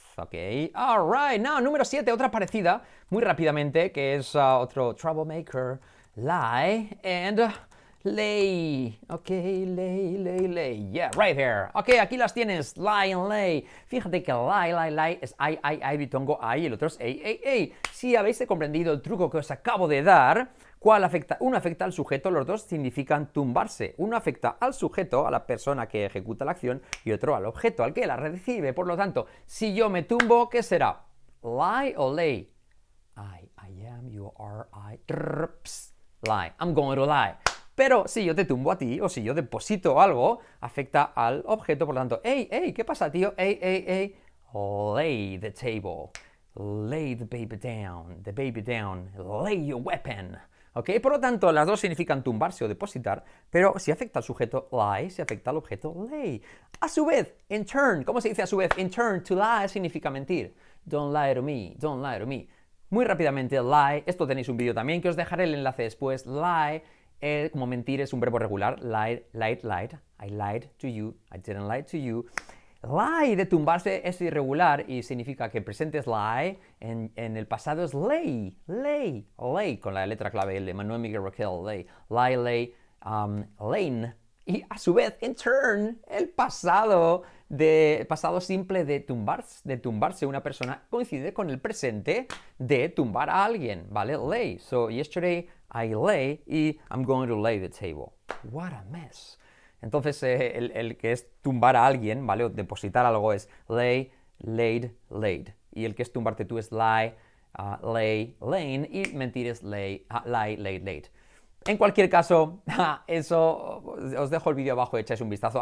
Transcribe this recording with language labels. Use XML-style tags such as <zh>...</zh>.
<en>Ok, alright, now,</en> <es>número 7, otra parecida, muy rápidamente, que es otro troublemaker,</es> <en>lie, and lay, ok, lay, lay, lay, yeah, right there, ok,</en> <es>aquí las tienes, lie and lay, fíjate que lie, lie, lie, es I, ditongo I, y el otro es A, A, A, si habéis comprendido el truco que os acabo de dar, ¿cuál afecta? Uno afecta al sujeto, los dos significan tumbarse. Uno afecta al sujeto, a la persona que ejecuta la acción, y otro al objeto, al que la recibe. Por lo tanto, si yo me tumbo, ¿qué será? ¿Lie o lay?</es> <en>I am, you are, I, trrr, pss, lie, I'm going to lie.</en> <es>Pero si yo te tumbo a ti, o si yo deposito algo, afecta al objeto. Por lo tanto, hey, hey, ¿qué pasa, tío?</es> <en>Hey, hey, hey, lay the table, lay the baby down, lay your weapon. ¿Ok?</en> <es>Por lo tanto, las dos significan tumbarse o depositar, pero si afecta al sujeto, lie, si afecta al objeto, lay. A su vez,</es> <en>in turn,</en> <es>¿cómo se dice a su vez?</es> <en>In turn, to lie</en> <es>significa mentir.</es> <en>Don't lie to me, don't lie to me.</en> <es>Muy rápidamente, lie, esto tenéis un vídeo también que os dejaré el enlace después. Lie, como mentir, es un verbo regular.</es> <en>Lie, lied, lied, I lied to you, I didn't lie to you.</en> <es>Lie, de tumbarse, es irregular y significa que presente es lie, en el pasado es lay, lay, lay, con la letra clave L, Manuel Miguel Raquel, lay, lie, lay, lane. Y a su vez,</es> <en>in turn,</en> <es>el pasado simple de tumbarse una persona coincide con el presente de tumbar a alguien, ¿vale?</es> <en>Lay, so yesterday I lay y I'm going to lay the table. What a mess.</en> <es>Entonces, el que es tumbar a alguien, ¿vale? O depositar algo es lay, laid, laid. Y el que es tumbarte tú es lie, lay, lane. Y mentir es lay, lie, laid, laid. En cualquier caso, eso os dejo el vídeo abajo, echáis un vistazo.</es>